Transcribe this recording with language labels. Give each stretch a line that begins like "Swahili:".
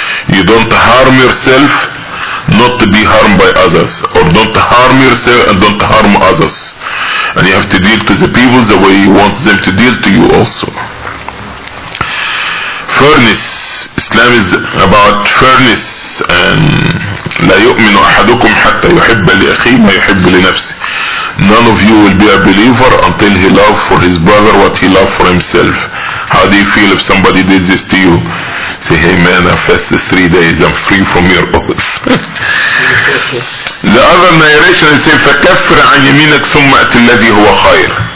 English: You don't harm yourself not to be harmed by others, or don't harm yourself and don't harm others. And you have to deal to the people the way you want them to deal to you also. Fairness. Islam is about fairness.
Arabic: And لا يؤمن أحدكم حتى يحب لأخيه ما يحب لنفسه.
English: None of you will be a believer until he love for his brother what he love for himself. How do you feel if somebody did this to you? Say, hey man, I fasted 3 days, I'm free from your oath. The other narration is saying,
Arabic: فكفر عن يمينك ثم أتي الذي هو خير.